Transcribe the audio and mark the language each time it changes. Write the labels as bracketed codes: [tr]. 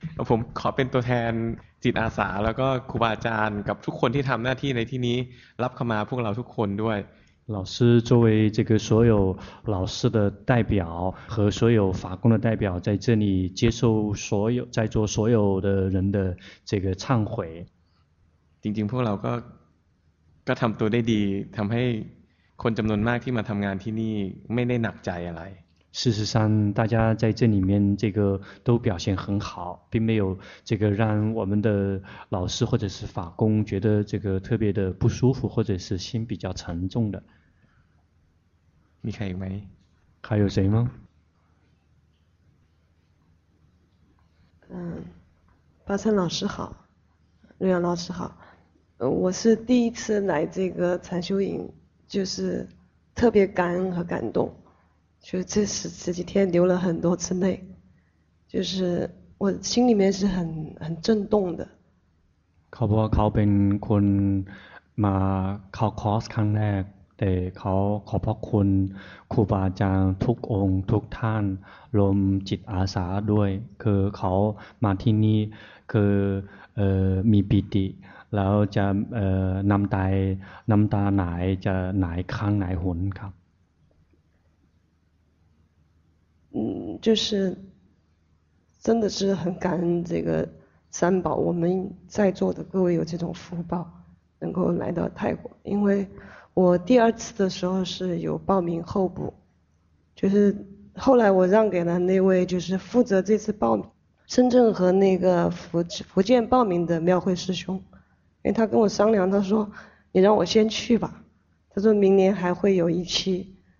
[th] ผมขอเป็นตัวแทนจิตอาสาแล้วก็ครูบาอาจารย์กับทุกคนที่ทำหน้าที่ในที่นี้รับเข้ามาพวกเราทุกคนด้วย [zh] 老师作为这个所有老师的代表和所有法工的代表在这里接受所有在座所有的人的这个忏悔 [th] จริงๆพวกเราก็ทำตัวได้ดีทำให้คนจำนวนมากที่มาทำงานที่นี่ไม่ได้หนักใจอะไร [zh] 事实上大家在这里面这个都表现很好并没有这个让我们的老师或者是法工觉得这个特别的不舒服或者是心比较沉重的你可以吗还有谁吗巴山老师好瑞阳老师好我是第一次来这个禅修营就是特别感恩和感动就这十几天流了很多次泪就是我心里面是很震动的 [th] ขาบอกว่าเขาเป็นคนมาเข้าคอร์สครั้งแรกแต่เขาขอบพระคุณครูบาอาจารย์ทุกองค์ทุกท่านรวมจิตอาสาด้วยคือเขามาที่นี่คือมีปิติแล้วจะน้ำตาไหนจะไหนครั้งไหนหนครับ [zh] 就是真的是很感恩这个三宝，我们在座的各位有这种福报，能够来到泰国。因为我第二次的时候是有报名候补，就是后来我让给了那位就是负责这次报名深圳和那个福建报名的庙会师兄，因为他跟我商量，他说你让我先去吧，他说明年还会有一期。